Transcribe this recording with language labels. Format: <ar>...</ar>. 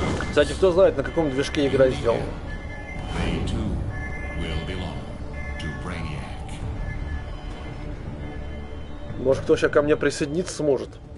<ru>Кстати, кто знает, на каком движке игра сделана?</ru> <en>They too will belong to Brainiac.</en> <ru>Может, кто сейчас ко мне присоединиться сможет?</ru>